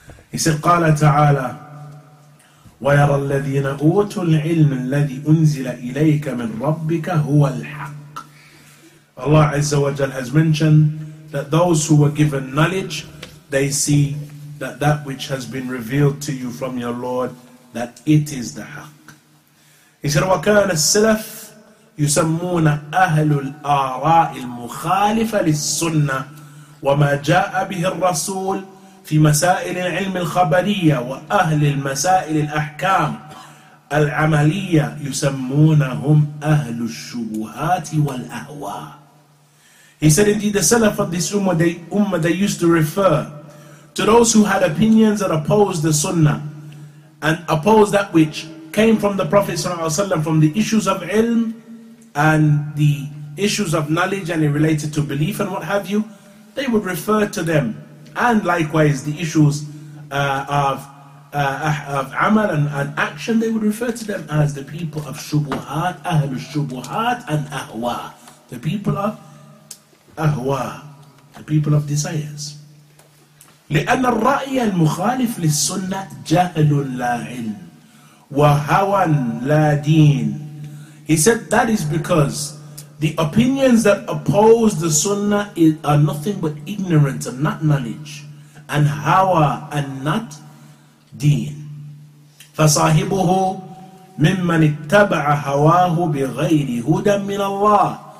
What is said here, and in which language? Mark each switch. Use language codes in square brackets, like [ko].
[en] He said, [ar] قَالَ تَعَالَى وَيَرَى الَّذِينَ أُوتُوا الْعِلْمَ الَّذِي أُنزِلَ إِلَيْكَ مِنْ رَبِّكَ هُوَ الْحَقِّ. [en] Allah Azza wa Jal has mentioned that those who were given knowledge, they see that which has been revealed to you from your Lord, that it is the haqq. He said, [ar] وَكَانَ السَّلَفْ يُسَمُّونَ أَهْلُ الْآرَاءِ الْمُخَالِفَ لِلسُّنَّةِ وَمَا جَاءَ بِهِ الرَّسُولِ في مسائل العلم الخبرية وأهل المسائل الأحكام العملية يسمونهم أهل الشبهات والأهواء. [en] He said, indeed, the Salaf of this Ummah, they used to refer to those who had opinions that opposed the Sunnah and opposed that which came from the Prophet ﷺ, from the issues of ilm and the issues of knowledge and it related to belief and what have you. They would refer to them, and likewise the issues of amal and action, they would refer to them as the people of shubuhat, ahlu shubuhat and ahwa, the people of ahwa, the people of desires. [ar] لأن الرأي المخالف للسنة جهل لا علم وهوى لا دين. [en] He said that is because the opinions that oppose the sunnah are nothing but ignorance and not knowledge, and hawa and not deen. [ar] فَصَاحِبُهُ مِمَّنْ اتَّبَعَ هَوَاهُ بِغَيْرِ هُدًى مِنَ اللَّهِ.